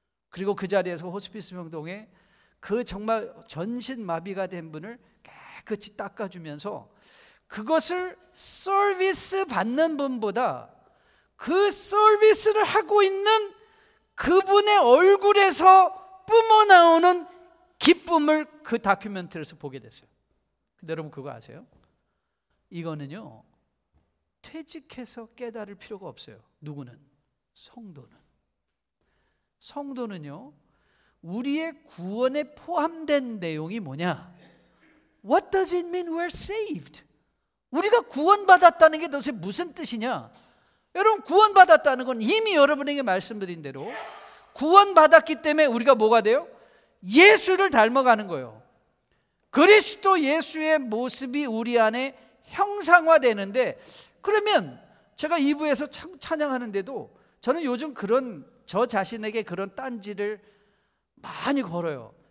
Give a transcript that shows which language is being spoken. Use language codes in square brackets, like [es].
[ko] 그리고 그 자리에서 호스피스 병동에 그 정말 전신 마비가 된 분을 깨끗이 닦아주면서 그것을 서비스 받는 분보다 그 서비스를 하고 있는 그분의 얼굴에서 뿜어나오는 기쁨을 그 다큐멘터리에서 보게 됐어요. 근데 여러분 그거 아세요? 이거는요, 퇴직해서 깨달을 필요가 없어요. 누구는? 성도는. 성도는요, 우리의 구원에 포함된 내용이 뭐냐? [en] What does it mean we're saved? [ko] 우리가 구원받았다는 게 도대체 무슨 뜻이냐? 여러분 구원받았다는 건 이미 여러분에게 말씀드린 대로 구원받았기 때문에 우리가 뭐가 돼요? 예수를 닮아가는 거예요. 그리스도 예수의 모습이 우리 안에 형상화되는데, 그러면 제가 2부에서 찬양하는데도 저는 요즘 그런 저 자신에게 그런 딴지를 많이 걸어요.